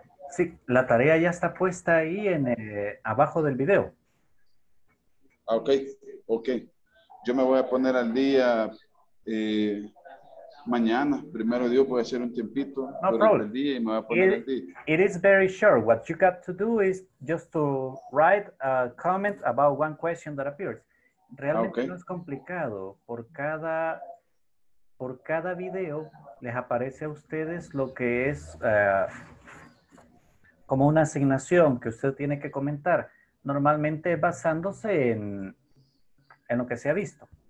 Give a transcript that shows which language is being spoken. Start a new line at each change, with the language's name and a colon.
Spanish: Sí, la tarea ya está puesta ahí en abajo del video. Ah, ok, ok. Yo me voy a poner al día mañana, primero Dios, voy a hacer un tiempito durante el día y me voy a poner al día.
English: It is very short. What you got to do is just to write a comment about one question that appears.
Spanish: Realmente okay. No es complicado. Por cada video les aparece a ustedes lo que es como una asignación que usted tiene que comentar. Normalmente basándose en lo que se ha visto.